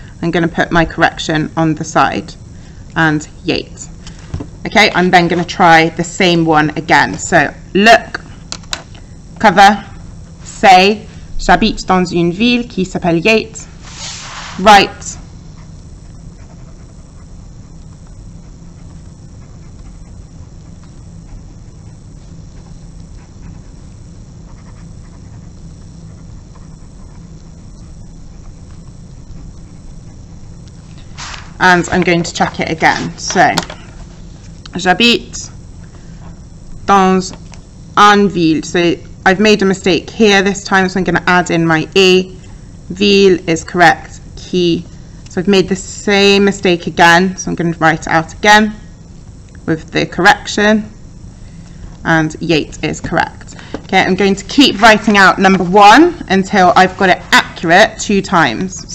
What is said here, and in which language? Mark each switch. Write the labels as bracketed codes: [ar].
[en] I'm going to put my correction on the side and Yate. Okay, I'm then going to try the same one again. So, look. Cover, say, [fr] j'habite dans une ville qui s'appelle Yate. [en] Write. And I'm going to check it again. So, [fr] j'habite dans une ville. [en] So, I've made a mistake here this time, so I'm going to add in my E. Ville is correct. Qui. So I've made the same mistake again, so I'm going to write it out again with the correction. And Yate is correct. Okay, I'm going to keep writing out number one until I've got it accurate 2 times.